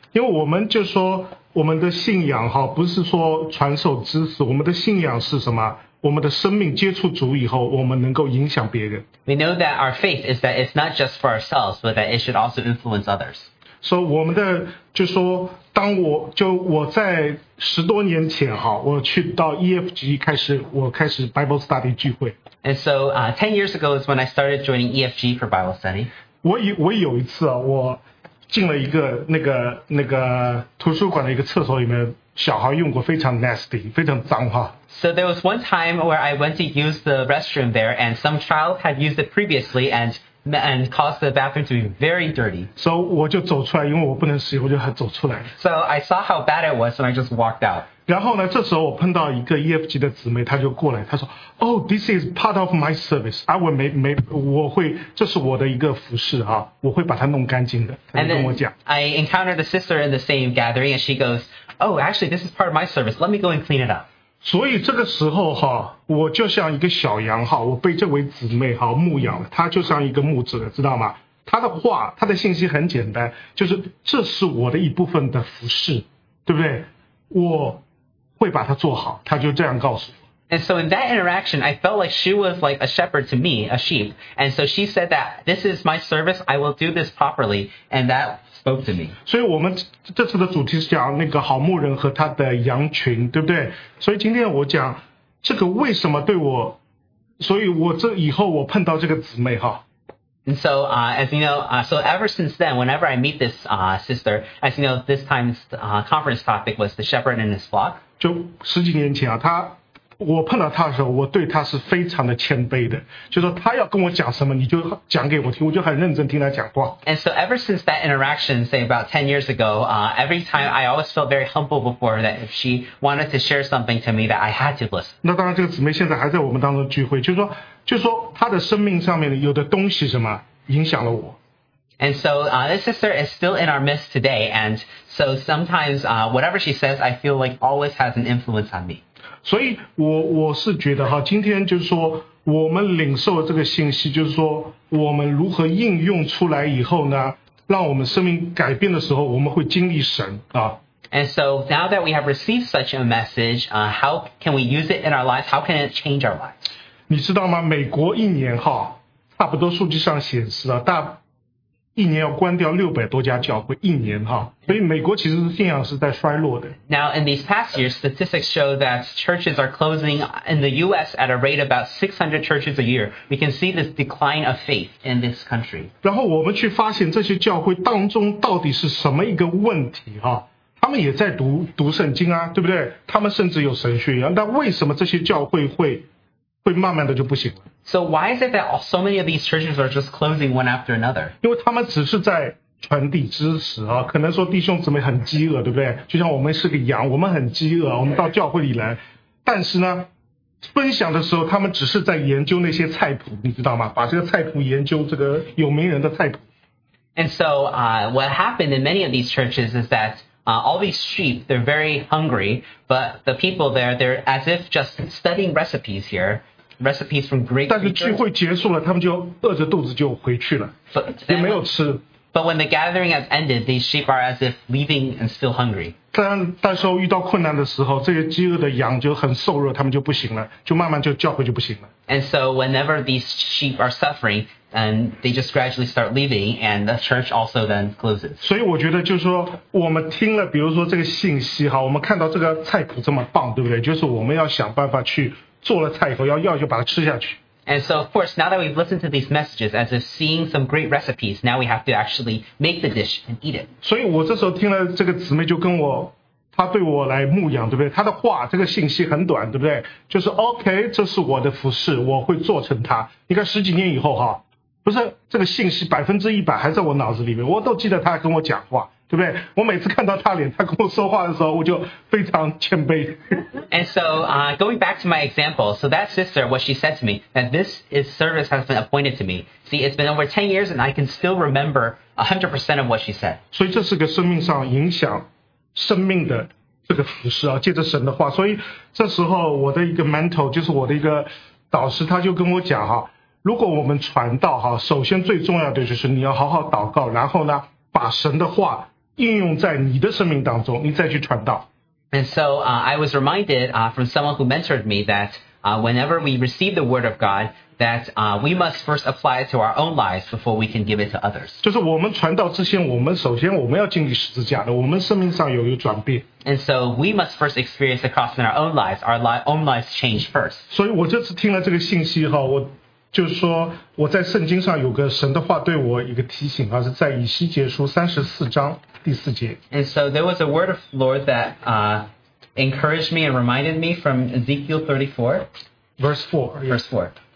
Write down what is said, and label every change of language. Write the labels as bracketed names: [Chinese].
[Chinese] 因为我们就说我们的信仰哈，不是说传授知识，我们的信仰是什么？我们的生命接触主以后，我们能够影响别人。 [English] We know that our faith is that it's not just for ourselves, but that it should also influence others. [Chinese] So 我们的就说，当我就我在十多年前哈，我去到 EFG 开始，我开始 Bible study 聚会。 [English] And so 10 years ago is when I started joining EFG for Bible study. [Chinese] 我有一次啊，我进了一个那个图书馆的一个厕所里面。小孩用过非常 nasty， 非常脏哈。 [English] So there was one time where I went to use the restroom there, and some child had used it previously and caused the bathroom to be very dirty. [Chinese] So 我就走出来，因为我不能洗，我就走出来。 [English] So I saw how bad it was, and I just walked out. [Chinese] 然后呢，这时候我碰到一个 EFG 的姊妹，她就过来，她说 ， [English] Oh, this is part of my service. I will [Chinese] 我会，这是我的一个服侍啊，我会把它弄干净的。她就跟我讲。 [English] And then I encountered a sister in the same gathering, and she goes. Oh, actually, this is part of my service. Let me go and clean it up. [Chinese] 所以这个时候哈，我就像一个小羊哈，我被这位姊妹哈牧养了，她就像一个牧者，知道吗？她的话，她的信息很简单，就是这是我的一部分的服事，对不对？我会把它做好，她就这样告诉我。 [English] And so in that interaction, I felt like she was like a shepherd to me, a sheep. And so she said that this is my service. I will do this properly. And that... [Chinese] 所以我们这次的主题是讲那个好牧人和他的羊群，对不对？所以今天我讲这个为什么对我，所以我这以后我碰到这个姊妹哈。 [English] And so, as you know, so ever since then, whenever I meet this sister, as you know, this time's conference topic was the shepherd and his flock. [Chinese] 就十几年前啊，我碰到他的时候，我对他是非常的谦卑的，就说他要跟我讲什么，你就讲给我听，我就很认真听他讲话。 [English] And so ever since that interaction, say about 10 years ago, every time I always felt very humble before that if she wanted to share something to me that I had to listen. [Chinese] 那当然这个姊妹现在还在我们当中聚会，就说他的生命上面有的东西什么影响了我。 [English] And so this sister is still in our midst today, and so sometimes whatever she says, I feel like always has an influence on me. [Chinese] 所以我是觉得哈，今天就是说我们领受这个信息，就是说我们如何应用出来以后呢，让我们生命改变的时候，我们会经历神啊。 [English] And so now that we have received such a message, how can we use it in our lives? How can it change our lives? [Chinese] 你知道吗？美国一年哈，差不多数据上显示啊，大一年要关掉六百多家教会，一年哈，所以美国其实信仰是在衰落的。 [English] Now in these past years, statistics show that churches are closing in the U.S. at a rate of about 600 churches a year. We can see this decline of faith in this country. [Chinese] 然后我们去发现这些教会当中到底是什么一个问题哈？他们也在读圣经啊，对不对？他们甚至有神学院，那为什么这些教会会慢慢的就不行了？ [English] So why is it that so many of these churches are just closing one after another? [Chinese] 因为他们只是在传递知识啊，可能说弟兄姊妹很饥饿，对不对？就像我们是个羊，我们很饥饿，我们到教会里来，但是呢，分享的时候他们只是在研究那些菜谱，你知道吗？把这个菜谱研究这个有名人的菜谱。 [English] And so, what happened in many of these churches is that, all these sheep, they're very hungry, but the people there, they're as if just studying recipes here. Recipes from great [Chinese] people. 但是聚会结束了，他们就饿着肚子就回去了，也没有吃。 [English] But when the gathering has ended, these sheep are as if leaving and still hungry. [Chinese] 但是遇到困难的时候，这些饥饿的羊就很瘦弱，他们就不行了，就慢慢就教会就不行了。 [English] And so whenever these sheep are suffering, and they just gradually start leaving, and the church also then closes. [Chinese] 所以我觉得就是说，我们听了比如说这个信息哈，我们看到这个菜谱这么棒，对不对？就是我们要想办法去。做了菜以后要就把它吃下去。 [English] And so, of course, now that we've listened to these messages, as if seeing some great recipes, now we have to actually make the dish and eat it. [Chinese] 所以我这时候听了这个姊妹就跟我，她对我来牧养，对不对？她的话，这个信息很短，对不对？就是 OK, 这是我的服饰，我会做成它。你看十几年以后哈，不是这个信息百分之一百还在我脑子里面，我都记得她跟我讲话。对不对？我每次看到他脸，他跟我说话的时候，我就非常谦卑。 [English] And so, going back to my example, so that sister, what she said to me, that this is service has been appointed to me. See, it's been over 10 years, and I can still remember 100% of what she said. [Chinese] 所以这是个生命上影响生命的这个服事啊，借着神的话。所以这时候我的一个 mentor 就是我的一个导师，他就跟我讲哈，如果我们传道哈，首先最重要的就是你要好好祷告，然后呢。把神的话应用在你的生命当中，你再去传道。 [English] And so, I was reminded, from someone who mentored me that, whenever we receive the word of God, that, we must first apply it to our own lives before we can give it to others. [Chinese] 就是我们传道之前，我们首先要经历十字架的，我们生命上有一个转变。 [English] And so we must first experience the cross in our own lives. Our own lives change first. [Chinese] 所以我这次听了这个信息哈，我。就是说我在圣经上有个神的话对我一个提醒啊，是在以西结书34章第4节。 [English] And so there was a word of Lord that encouraged me and reminded me from Ezekiel 34 verse 4。